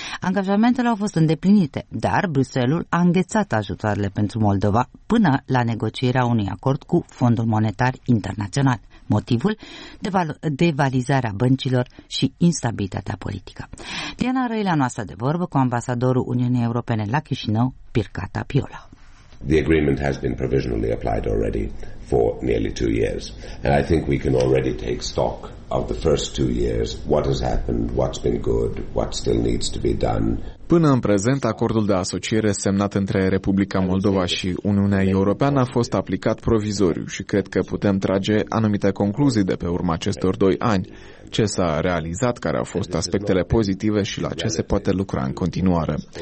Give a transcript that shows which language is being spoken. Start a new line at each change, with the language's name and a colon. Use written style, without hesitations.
Romanian: Angajamentele au fost îndeplinite, dar Bruxelles a înghețat ajutoarele pentru Moldova până la negocierea unui acord cu Fondul Monetar Internațional. Motivul? Devalizarea băncilor și instabilitatea politică. Diana Răilea noastră de vorbă cu ambasadorul Uniunii Europene la Chișinău, Pirca Tapiola.
English: The agreement has been provisionally applied already for nearly 2 years, and I think we can already take stock of the first 2 years, what has happened, what's been good, what still needs to be done.
Romanian: Până în prezent, acordul de asociere semnat între Republica Moldova și Uniunea Europeană a fost aplicat provizoriu și cred că putem trage anumite concluzii de pe urma acestor 2 ani. Ce s-a realizat, care au fost aspectele pozitive și la ce se poate lucra în continuare.